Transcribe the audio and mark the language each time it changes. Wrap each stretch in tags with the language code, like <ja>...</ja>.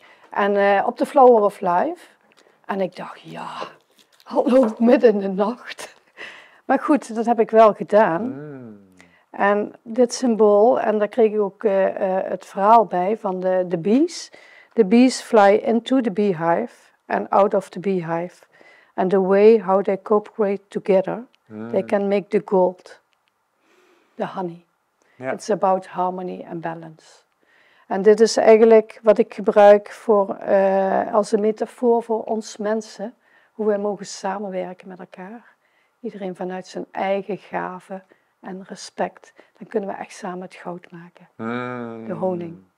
<nl>En op de Flower of Life. En ik dacht, ja, hallo, midden in de nacht. Maar goed, dat heb ik wel gedaan. Mm. En dit symbool, en daar kreeg ik ook het verhaal bij van de bees.</nl> <en>The bees fly into the beehive and out of the beehive. And the way how they cooperate together, they can make the gold, the honey. Yeah. It's about harmony and balance.</en> <nl>En dit is eigenlijk wat ik gebruik voor, als een metafoor voor ons mensen. Hoe wij mogen samenwerken met elkaar. Iedereen vanuit zijn eigen gaven en respect. Dan kunnen we echt samen het goud maken. Mm. De honing.</nl>